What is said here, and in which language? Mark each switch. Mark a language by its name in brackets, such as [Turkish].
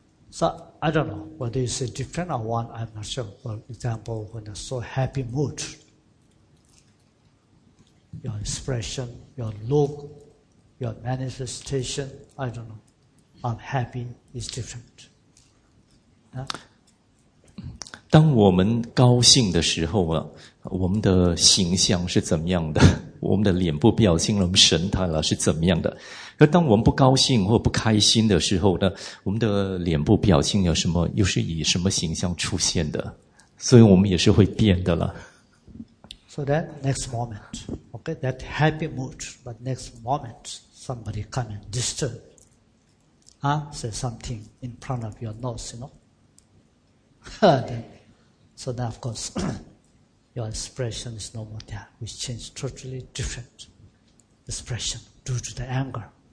[English] So I don't know whether it's a different or one. I'm not sure. For example, when you're so happy mood, your expression, your look, your manifestation, I don't know. I'm happy is different.、 [Chinese] 当我们高兴的时候、啊、我们的形象是怎么样的？我们的脸部表情，我们神态了是怎么样的？可当我们不高兴或不开心的时候呢，我们的脸部表情有什么，又是以什么形象出现的？所以我们也是会变的了。 [English] So that next moment, okay, that happy mood, but next moment, somebody come and disturb, say something in front of your nose, you know. So then, of course. Your expression is no more there, which changed totally different expression due to the anger.